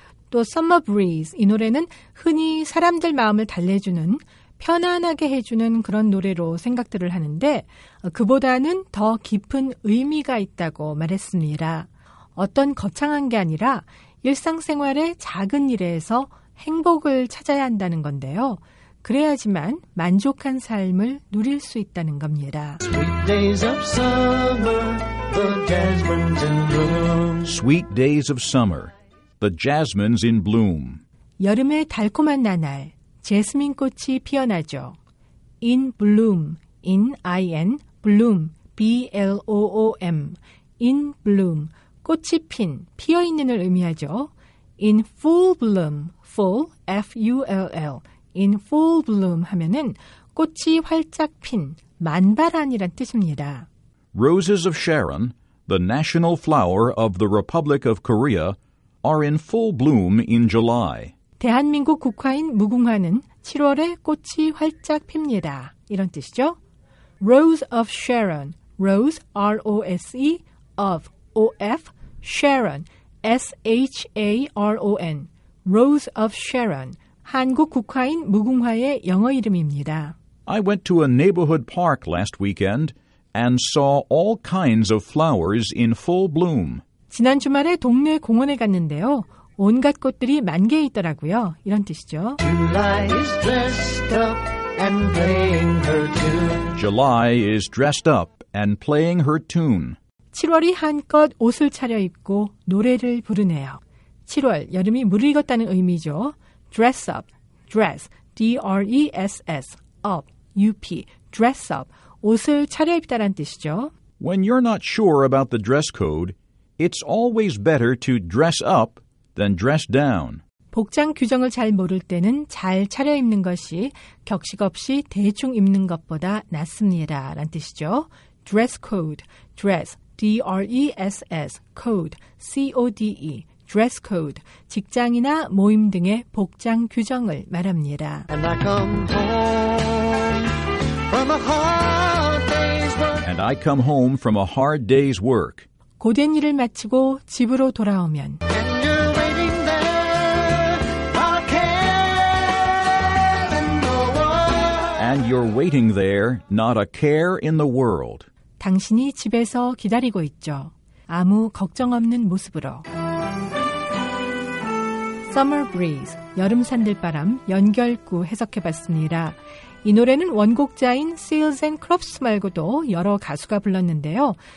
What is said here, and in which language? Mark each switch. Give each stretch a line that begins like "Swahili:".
Korean: 또 Summer Breeze 이 노래는 흔히 사람들 마음을 달래주는 편안하게 해주는 그런 노래로 생각들을 하는데 그보다는 더 깊은 의미가 있다고 말했습니다. 어떤 거창한 게 아니라 일상생활의 작은 일에서 행복을 찾아야 한다는 건데요. 그래야지만 만족한 삶을 누릴 수 있다는 겁니다.
English: Sweet days of summer, the jasmine's in bloom. Sweet days of summer, the jasmine's in bloom.
Korean: 여름의 달콤한 나날, 제스민 꽃이 피어나죠.
English: In bloom, in I-N, bloom, B-L-O-O-M. In bloom,
Korean: 꽃이 핀, 피어있는을 의미하죠.
English: In full bloom, full, F-U-L-L. In full bloom
Korean: 하면은 꽃이 활짝 핀, 만발한이란 뜻입니다.
English: Roses of Sharon, the national flower of the Republic of Korea, are in full bloom in July.
Korean: 대한민국 국화인 무궁화는 7월에 꽃이 활짝 핍니다. 이런 뜻이죠.
English: Rose of Sharon, Rose, R-O-S-E, of, O-F, Sharon, S-H-A-R-O-N, Rose of Sharon,
Korean: 한국 국화인 무궁화의 영어 이름입니다.
English: I went to a neighborhood park last weekend and saw all kinds of flowers in full bloom.
Korean: 지난 주말에 동네 공원에 갔는데요. 온갖 꽃들이 만개해 있더라고요. 이런 뜻이죠.
English: July is dressed up and playing her tune. July is dressed up and playing her tune.
Korean: 7월이 한껏 옷을 차려입고 노래를 부르네요. 7월, 여름이 무르익었다는 의미죠.
English: Dress up, dress, D-R-E-S-S, up, U-P, dress up,
Korean: 옷을 차려입다란 뜻이죠.
English: When you're not sure about the dress code, it's always better to dress up than dress down.
Korean: 복장 규정을 잘 모를 때는 잘 차려입는 것이 격식 없이 대충 입는 것보다 낫습니다. 란 뜻이죠.
English: Dress code, dress, D-R-E-S-S, code, C-O-D-E. Dress code,
Korean: 직장이나 모임 등의 복장 규정을 말합니다.
English: And I come home from a hard day's work. And I come home from a hard day's work.
Korean: 고된 일을 마치고 집으로 돌아오면
English: And you're waiting there, I can't ignore. And you're waiting there, not a care in the world.
Korean: 당신이 집에서 기다리고 있죠. 아무 걱정 없는 모습으로. Summer Breeze, 여름 산들바람, 연결구 해석해봤습니다. 이 노래는 원곡자인 Seals and Crofts 말고도 여러 가수가 불렀는데요.